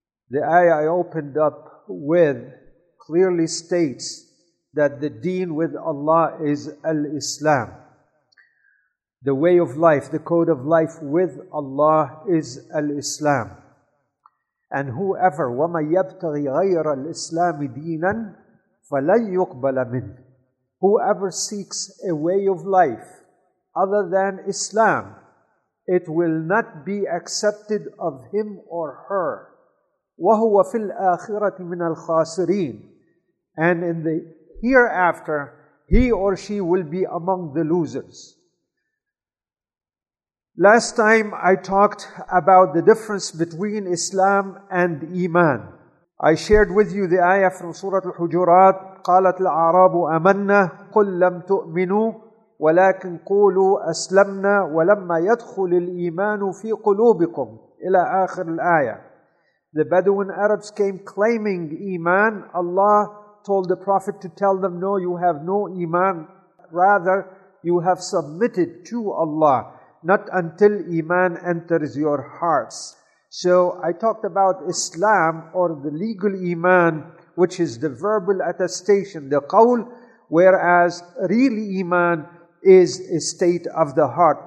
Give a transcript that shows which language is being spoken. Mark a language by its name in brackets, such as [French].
[English] The ayah I opened up with clearly states that the deen with Allah is al-Islam. The way of life, the code of life with Allah is al-Islam. And whoever, [Arabic] وَمَا يَبْتَغِي غَيْرَ الْإِسْلَامِ دِينًا فَلَنْ يُقْبَلَ مِنْ. [English] Whoever seeks a way of life other than Islam, it will not be accepted of him or her. [Arabic] وَهُوَ فِي الْآخِرَةِ مِنَ الْخَاسِرِينَ. [English] And in the hereafter, he or she will be among the losers. Last time I talked about the difference between Islam and Iman. I shared with you the ayah from Surah Al-Hujurat. [Arabic] قَالَتْ الْأَعْرَابُ أَمَنَّا قُلْ لَمْ تُؤْمِنُوا وَلَكِنْ قُولُوا أَسْلَمْنَا وَلَمَّا يَدْخُلِ الْإِيمَانُ فِي قُلُوبِكُمْ إِلَىٰ آخِرِ الْآيَةِ. [English] The Bedouin Arabs came claiming Iman. Allah told the Prophet to tell them, no, you have no Iman. Rather, you have submitted to Allah. Not until Iman enters your hearts. So I talked about Islam, or the legal Iman, which is the verbal attestation, the qawl, whereas really Iman is a state of the heart.